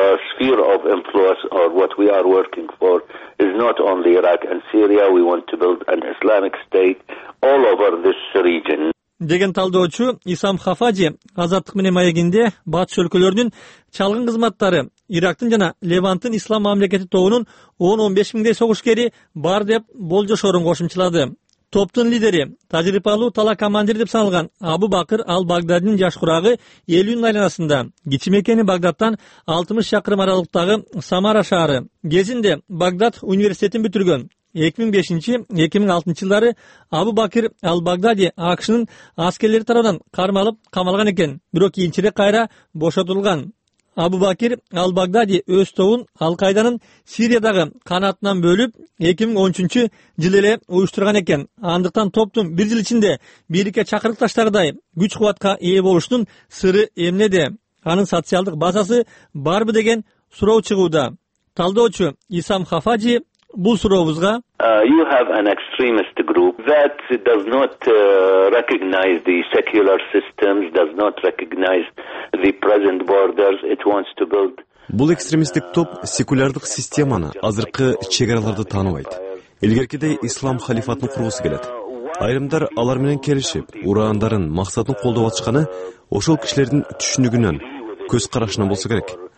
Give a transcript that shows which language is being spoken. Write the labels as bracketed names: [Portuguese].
[English] Sphere of influence or what we are working for is not only Iraq and Syria. We want to build an Islamic state all over this region. [Kyrgyz] Деген талдоочу Исам Хафаджи Азаттык менен маегинде батыш өлкөлөрүнүн чалгын кызматтары Ирактын жана Леванттын ислам мамлекети тобунун 10-15 миңдей согушкери бар деп болжошорун кошумчалады. Топтун лидери тажрыйбалуу тала командир деп саналган Абу Бакыр ал Багдаддын жаш курагы Элюн айланасында кичи мекени Багдаддан 60 чакырым аралыктагы Самара шаары. Кезинде Багдад университетин бүтүргөн. 2005-2006 жылдары Абу Бакыр ал Багдади АКШнын аскерлери тарабынан кармалып камалган экен, бирок кийинчерээк кайра бошотулган. Абу Бакир ал Багдади өз тобун Ал-Кайданын Сириядагы канатынан бөлүп 2013 жылы эле уюштурган экен. Андыктан топтун бир жыл ичинде бийликке чакырык таштагыдай күч кубатка ээ болушунун сыры эмнеде? Анын социалдык базасы барбы деген суроо чыгууда. Талдоочу Исам Хафаджи бул сурообузга [English] You have an extremist group that does not recognize the secular systems, does not recognize the present borders. It wants to build. [Kyrgyz] Бул экстремисттик топ секулярдык системаны, азыркы чек араларды тааныбайт. Илгеркидей ислам халифатын кургусу келет. Айрымдар алар менен келишип, урандарын, максатын колдоп атышканы ошол кишилердин түшүнүгүнөн, көз карашынан болсо керек.